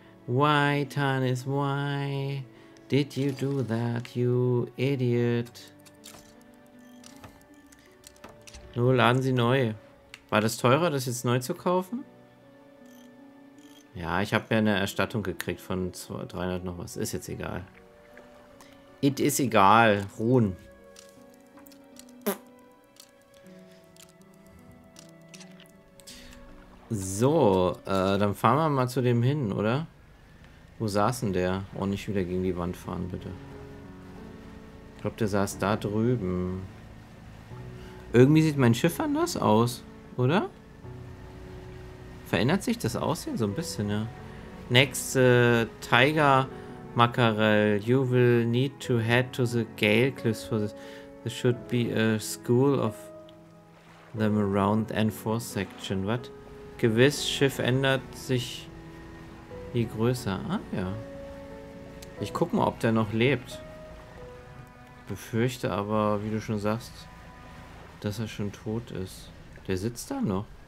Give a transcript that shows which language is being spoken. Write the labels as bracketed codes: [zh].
[en] Why, Tanis, why did you do that, you idiot? [de] Nur laden Sie neu. War das teurer, das jetzt neu zu kaufen? Ja, ich habe ja eine Erstattung gekriegt von 300 noch was. Ist jetzt egal. [en] It is egal. [de] Ruhen. So, dann fahren wir mal zu dem hin, oder? Wo saß denn der? Oh, nicht wieder gegen die Wand fahren, bitte. Ich glaube, der saß da drüben. Irgendwie sieht mein Schiff anders aus, oder? Verändert sich das Aussehen so ein bisschen, ja. [en] Next, Tiger Mackerel. You will need to head to the Gale Cliffs for this. There should be a school of them around N4 Section. What? [de] Gewiss, Schiff ändert sich je größer. Ah, ja. Ich guck mal, ob der noch lebt. Befürchte aber, wie du schon sagst, dass er schon tot ist. Der sitzt da noch.